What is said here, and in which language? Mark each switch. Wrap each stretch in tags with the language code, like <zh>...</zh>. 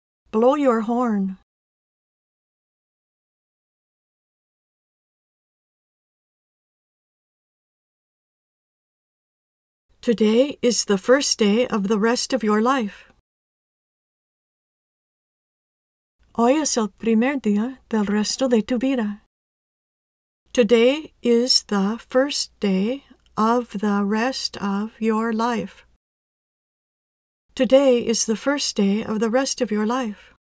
<en>Blow your horn. Today is the first day of the rest of your life.</en> <es>Hoy es el primer día del resto de tu vida.</es> <en>Today is the first day of the rest of your life. Today is the first day of the rest of your life.</en>